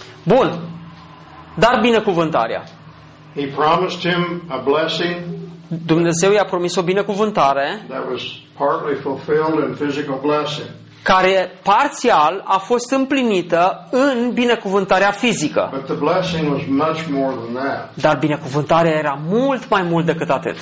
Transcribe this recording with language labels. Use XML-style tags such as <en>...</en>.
<ro>Bun. dar binecuvântarea.</ro> <en>He promised him a blessing.</en> <ro>Dumnezeu i-a promis o binecuvântare.</ro> <en>That was partly fulfilled in physical blessing.</en> <ro>Care parțial a fost împlinită în binecuvântarea fizică.</ro> <en>But the blessing was much more than that.</en> <ro>Dar binecuvântarea era mult mai mult decât atât.</ro>